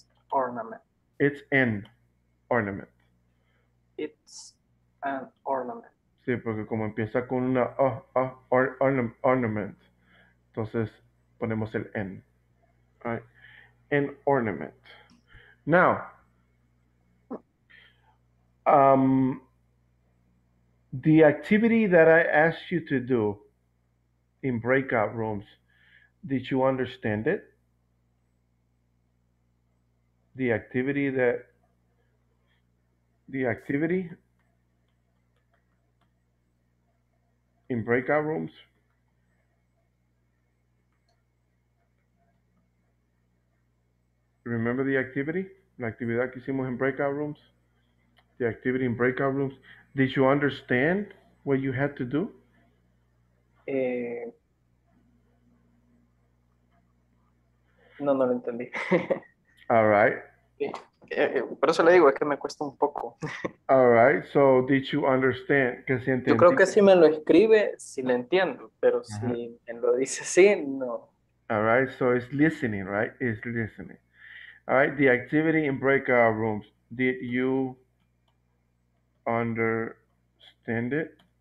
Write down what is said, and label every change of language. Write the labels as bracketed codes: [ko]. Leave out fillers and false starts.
[en] ornament. It's an ornament. It's an ornament. [es] Sí, porque como empieza con una ornament, entonces ponemos el en. [en] Right? An ornament. [es] All [en] Now, the activity that I asked you to do in breakout rooms, did you understand it? The activity in breakout rooms? Remember the activity? [es] La actividad que hicimos en breakout rooms? [en] The activity in breakout rooms. Did you understand what you had to do? [es] No lo entendí. [en] All right. [es] Por eso le digo, es que me cuesta un poco. [en] All right, so did you understand? [es] ¿Que si entendí? Yo creo que si me lo escribe, si le entiendo, pero si me lo dice sí, no. [en] All right, so it's listening, right? It's listening. All right, the activity in breakout rooms, did you understand it?